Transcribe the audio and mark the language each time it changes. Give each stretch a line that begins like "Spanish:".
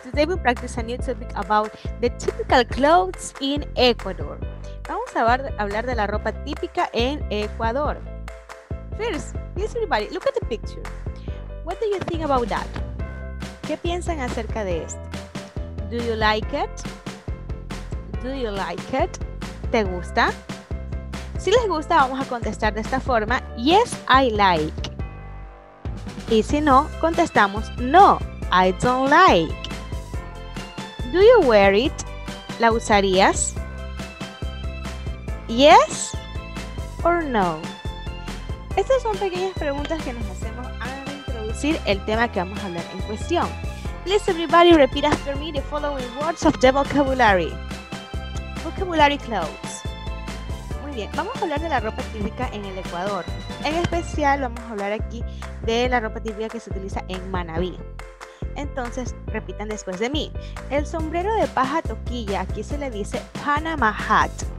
English: Today we practice a new topic about the typical clothes in Ecuador.
Spanish: Vamos a hablar de la ropa típica en Ecuador.
English: First, please everybody, look at the picture. What do you think about that?
Spanish: ¿Qué piensan acerca de esto?
English: Do you like it? Do you like it?
Spanish: ¿Te gusta? Si les gusta, vamos a contestar de esta forma.
English: Yes, I like.
Spanish: Y si no, contestamos no,
English: I don't like. Do you wear it?
Spanish: ¿La usarías?
English: Yes or no?
Spanish: Estas son pequeñas preguntas que nos hacemos al introducir el tema que vamos a hablar en cuestión.
English: Please everybody repeat after me the following words of the vocabulary. Vocabulary clothes.
Spanish: Muy bien, vamos a hablar de la ropa típica en el Ecuador. En especial vamos a hablar aquí de la ropa típica que se utiliza en Manabí. Entonces, repitan después de mí. El sombrero de paja toquilla, aquí se le dice Panama hat.